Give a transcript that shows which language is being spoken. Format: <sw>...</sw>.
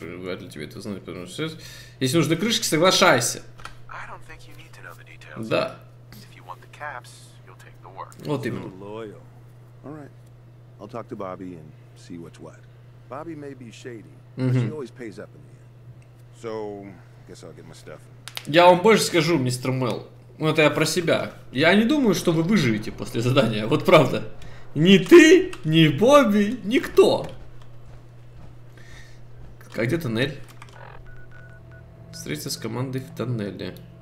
<ru>Вряд ли тебе это знать, потому что если нужны крышки, соглашайся.</ru> <en>I don't think you need to know the details.</en> <ru>Да.</ru> <en>If you want the caps, you'll take the work.</en> <ru>Вот именно.</ru> <en>Loyal. All right. I'll talk to Bobby and see what's what. Bobby may be shady, but she always pays up in the end. So, guess I'll get my stuff.</en> <ru>Я вам больше скажу, мистер Мел. Ну, это я про себя. Я не думаю, что вы выживете после задания. Вот правда. Ни ты, ни Бобби, никто. А где тоннель? Встретиться с командой в тоннеле.</ru>